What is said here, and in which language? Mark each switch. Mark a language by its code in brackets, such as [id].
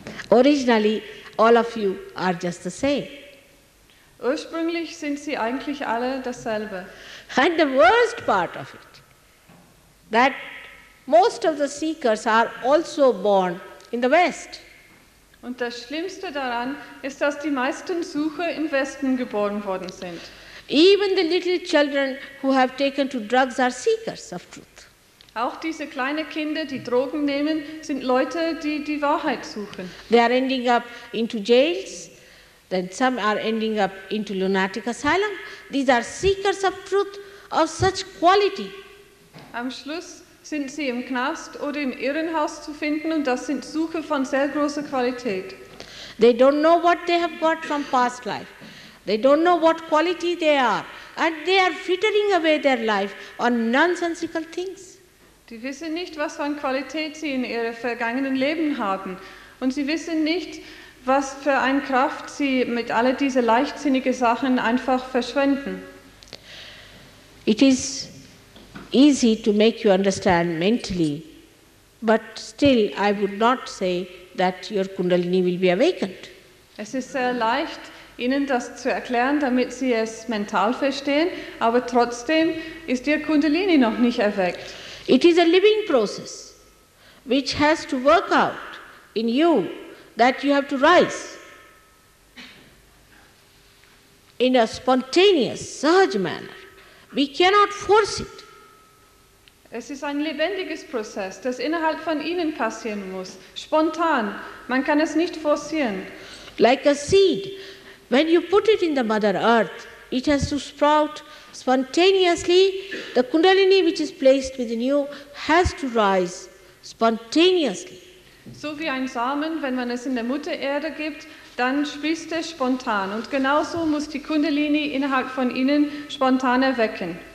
[en] Originally, all of you are just the same. [de] Ursprünglich sind sie eigentlich alle dasselbe. [en] And the worst part of it, that most of the seekers are also born in the West. [de] Und das Schlimmste daran ist, dass die meisten Sucher im Westen geboren worden sind. [en] Even the little children who have taken to drugs are seekers of truth. [de] Auch diese kleinen Kinder, die Drogen nehmen, sind Leute, die die Wahrheit suchen. [en] They are ending up into jails, then some are ending up into lunatic asylum. These are seekers of truth of such quality. [de] Am Schluss sind sie im Knast oder im Irrenhaus zu finden, und das sind Suche von sehr großer Qualität. [en] They don't know what they have got from past life. They don't know what quality they are. And they are frittering away their life on nonsensical things. [de] Die wissen nicht, was für eine Qualität sie in ihrem vergangenen Leben haben. Und sie wissen nicht, was für eine Kraft sie mit all diesen leichtsinnigen Sachen einfach verschwenden. [en] It is easy to make you understand mentally, but still I would not say that your Kundalini will be awakened. [de] Es ist sehr leicht, Ihnen das zu erklären, damit Sie es mental verstehen, aber trotzdem ist Ihr Kundalini noch nicht erweckt. [en] It is a living process, which has to work out in you, that you have to rise in a spontaneous, surge manner. We cannot force it. [de] Es ist ein lebendiges Prozess, das innerhalb von Ihnen passieren muss, spontan. Man kann es nicht forcieren. [en] Like a seed, when you put it in the Mother Earth, it has to sprout spontaneously. The Kundalini which is placed within you has to rise spontaneously. [de] So wie ein Samen, wenn man es in der Mutter Erde gibt, dann sprießt es spontan. Und genauso muss die Kundalini innerhalb von Ihnen spontan erwecken.